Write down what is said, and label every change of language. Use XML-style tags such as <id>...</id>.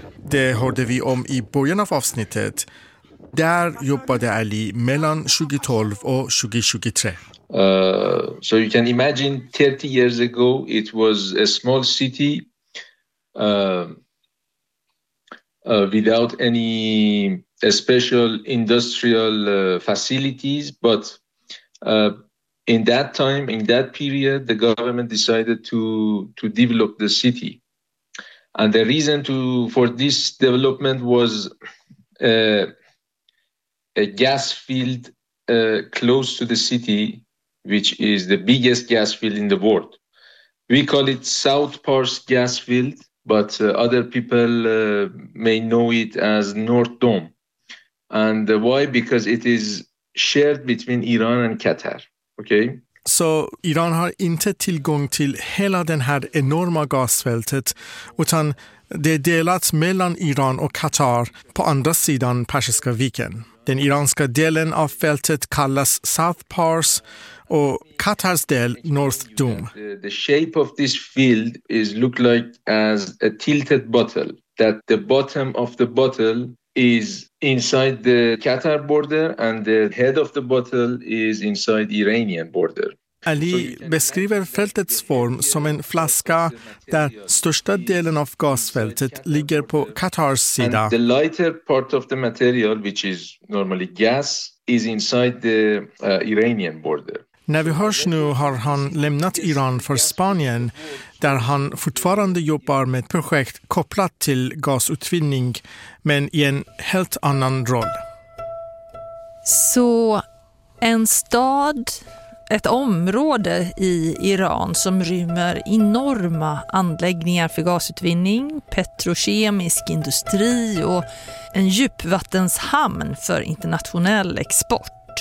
<sv>Det hörde vi om i början av avsnittet. Där jobbade Ali mellan 2012 och 2023.</sv> <en>So you can imagine 30 years ago it was a small city without any special industrial facilities, but in that time, in that period, the government decided to develop the city. And the reason for this development was a gas field close to the city, which is the biggest gas field in the world. We call it South Pars gas field, but other people may know it as North Dome. And why? Because it is shared between Iran and Qatar. Okay.</en> <sv>Så Iran har inte tillgång till hela den här enorma gasfältet, utan det är delat mellan Iran och Qatar på andra sidan Persiska viken. Den iranska delen av fältet kallas South Pars och Qatars del North Dome.</sv> <en>The shape of this field is look like as a tilted bottle, that the bottom of the bottle is inside the Qatar border and the head of the bottle is inside Iranian border.</en> <sv>Ali beskriver fältets form som en flaska där största delen av gasfältet ligger på Qatars sida.</sv> <en>And the lighter part of the material, which is normally gas, is inside the Iranian border.</en> <sv>När vi hörs nu har han lämnat Iran för Spanien, där han fortfarande jobbar med ett projekt kopplat till gasutvinning, men i en helt annan roll. Så en stad, ett område i Iran som rymmer enorma anläggningar för gasutvinning, petrokemisk industri och en djupvattenshamn för internationell export.</sv>